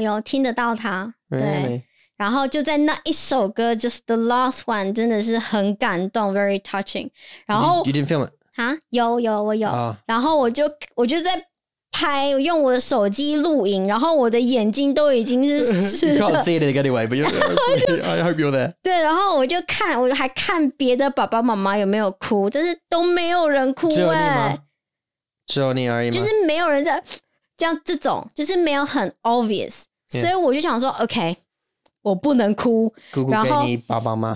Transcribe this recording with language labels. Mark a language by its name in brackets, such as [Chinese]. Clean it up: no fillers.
[Chinese] 有听得到她。 [English] Really? [Chinese] 然后就在那一首歌 [English] just the last one [Chinese] 真的是很感动 [English] very touching. [Chinese] 然后 [English] you didn't film it? [Chinese] 蛤？有我有。然后我就在拍用我的手机录影然后我的眼睛都已经是湿 [English] 了 You can't see it anyway but I hope you're there [Chinese] 对然后我还看别的爸爸妈妈有没有哭但是都没有人哭只有你而已吗就是没有人在像这种就是没有很 obvious、yeah. 所以我就想说 OK 我不能哭 Google 给你爸爸妈